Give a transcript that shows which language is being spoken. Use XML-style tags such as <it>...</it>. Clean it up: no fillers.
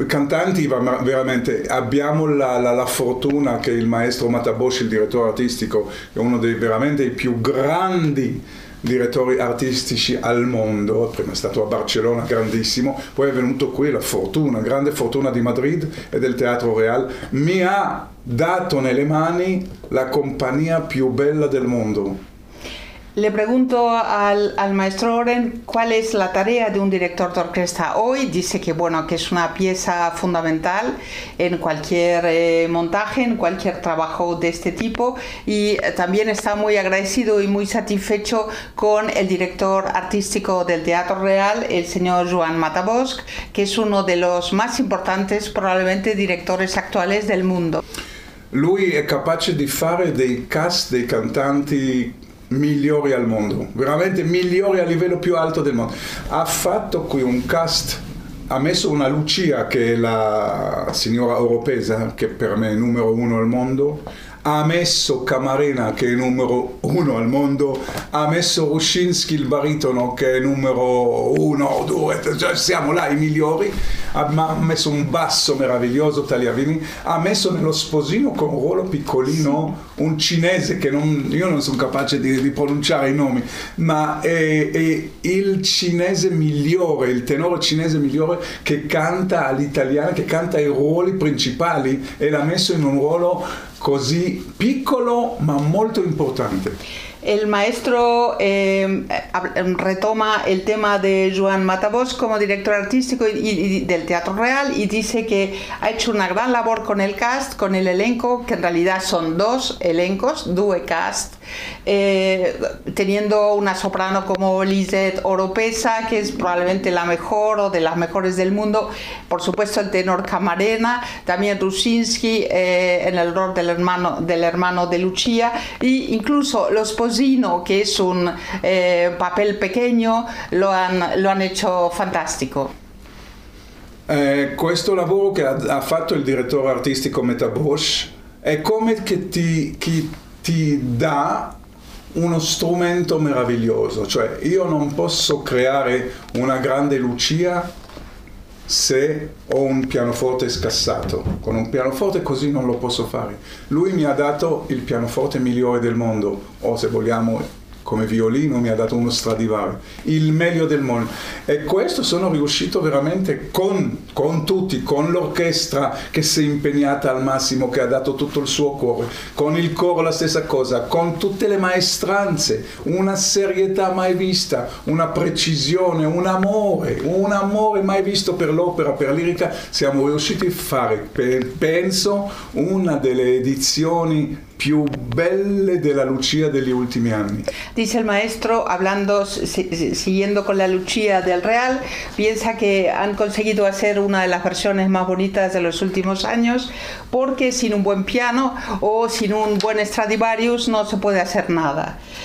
<it>Cantanti, veramente abbiamo la fortuna che il maestro Matabosci, il direttore artistico, è uno dei veramente i più grandi direttori artistici al mondo. Prima è stato a Barcellona, grandissimo, poi è venuto qui, la fortuna, grande fortuna di Madrid e del Teatro Real, mi ha dato nelle mani la compagnia più bella del mondo.</it> <es>Le pregunto al maestro Oren cuál es la tarea de un director de orquesta hoy. Dice que, bueno, que es una pieza fundamental en cualquier montaje, en cualquier trabajo de este tipo, y también está muy agradecido y muy satisfecho con el director artístico del Teatro Real, el señor Joan Matabosc, que es uno de los más importantes, probablemente, directores actuales del mundo.</es> <it>Lui è capace di fare dei cast, dei cantanti migliori al mondo, veramente migliori a livello più alto del mondo. Ha fatto qui un cast, ha messo una Lucia, che è la signora Oropesa, che per me è numero uno al mondo, ha messo Camarena, che è numero uno al mondo, ha messo Ruscinski, il baritono, che è numero uno o due, cioè siamo là i migliori, ha messo un basso meraviglioso, Tagliavini, ha messo nello Sposino, con un ruolo piccolino, un cinese che non, io non sono capace di pronunciare i nomi, ma è il cinese migliore, il tenore cinese migliore, che canta all'italiana, che canta i ruoli principali, e l'ha messo in un ruolo così piccolo ma molto importante.</it> <es>El maestro retoma el tema de Joan Matabós como director artístico y del Teatro Real, y dice que ha hecho una gran labor con el cast, con el elenco, que en realidad son dos elencos,</es> <it>due cast,</it> <es>teniendo una soprano como Lisette Oropesa, que es probablemente la mejor o de las mejores del mundo, por supuesto el tenor Camarena, también Ruscinski en el rol del hermano de Lucia, e incluso los que es un papel pequeño, lo han hecho fantástico.</es> <it>Questo lavoro che ha fatto il direttore artistico Matabós è come che ti dà uno strumento meraviglioso, cioè io non posso creare una grande Lucia se ho un pianoforte scassato, con un pianoforte così non lo posso fare. Lui mi ha dato il pianoforte migliore del mondo, o se vogliamo come violino mi ha dato uno Stradivari, il meglio del mondo. E questo sono riuscito veramente con tutti, con l'orchestra che si è impegnata al massimo, che ha dato tutto il suo cuore, con il coro la stessa cosa, con tutte le maestranze, una serietà mai vista, una precisione, un amore mai visto per l'opera, per lirica. Siamo riusciti a fare, penso, una delle edizioni più belle della Lucia degli ultimi anni.</it> <es>Dice el maestro, hablando, siguiendo con la Lucia del Real, piensa que han conseguido hacer una de las versiones más bonitas de los últimos años, porque sin un buen piano o sin un buen Stradivarius no se puede hacer nada.</es>